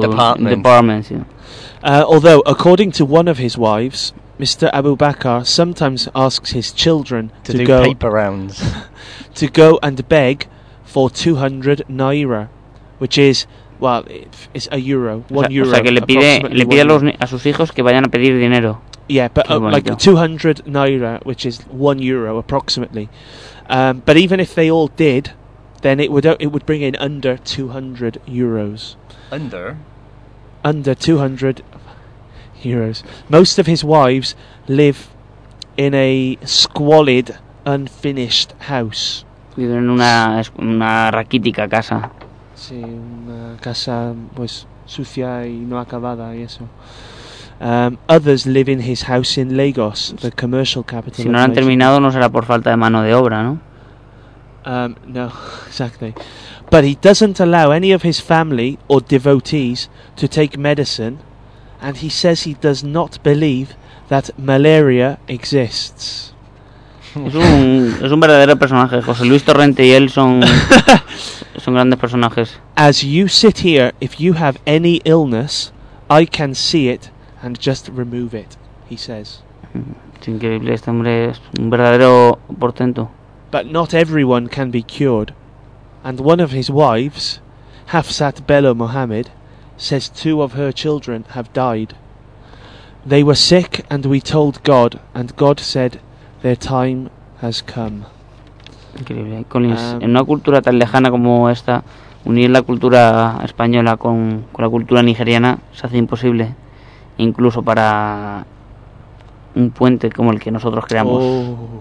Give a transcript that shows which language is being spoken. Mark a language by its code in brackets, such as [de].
[en] Department. Yeah. Although, according to one of his wives, Mr. Abu Bakr sometimes asks his children to do go paper rounds, to go and beg for 200 naira, which is, well, it's a euro, €1. [es] O sea, que le pide a sus hijos que vayan a pedir dinero. [en] Yeah, but like 200 naira, which is €1 approximately. But even if they all did, then it would bring in under €200. Under 200 euros. Most of his wives live in a squalid, unfinished house. [es] Viven en una raquítica casa. Sí, una casa pues sucia y no acabada y eso. [en] Others live in his house in Lagos, the commercial capital. [es] Si no lo han terminado, no será por falta de mano de obra, ¿no? [en] No, exactly. But he doesn't allow any of his family or devotees to take medicine, and he says he does not believe that malaria exists. [es] Es un verdadero personaje. José Luis Torrente y él son grandes personajes. [en] As you sit here, if you have any illness, I can see it and just remove it, he says. [es] Es increíble, este hombre es un verdadero portento. [en] But not everyone can be cured. And one of his wives, Hafsat Bello Mohammed, says two of her children have died. They were sick and we told God, and God said, their time has come. [es] Increíble. En una cultura tan lejana como esta, unir la cultura española con la cultura nigeriana se hace imposible, incluso para un puente como el que nosotros creamos.